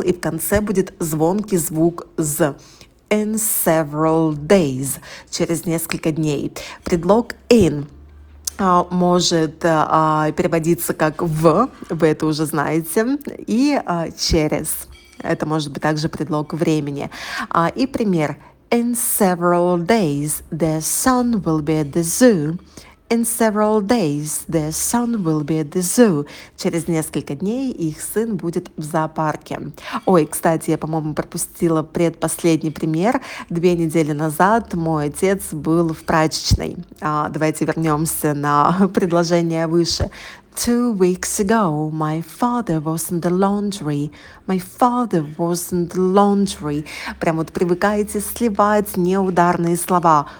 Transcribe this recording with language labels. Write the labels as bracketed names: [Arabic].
[Russian] И в конце будет звонкий звук «з». [English] In several days, [Russian] через несколько дней. Предлог in может переводиться как в, вы это уже знаете, и через. Это может быть также предлог времени. И пример. [English] In several days, the sun will be at the zoo. In several days, the sun will be at the zoo. [Russian] Через несколько дней их сын будет в зоопарке. Ой, кстати, я, по-моему, пропустила предпоследний пример. 2 недели назад мой отец был в прачечной. Давайте вернемся на предложение выше. [English] 2 weeks ago, my father was in the laundry. My father was in the laundry. [Russian] Прям вот привыкаете сливать неударные слова.